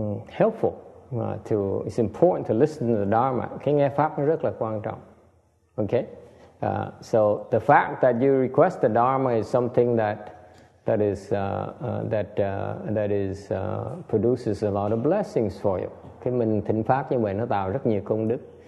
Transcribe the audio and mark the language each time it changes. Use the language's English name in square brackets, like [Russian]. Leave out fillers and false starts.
[English] Helpful. It's important to listen to the Dharma. [Vietnamese] Khi nghe pháp rất là quan trọng. [English] Okay. So the fact that you request the Dharma is something that produces a lot of blessings for you. [Vietnamese] Khi mình thỉnh pháp như vậy nó tạo rất nhiều công đức.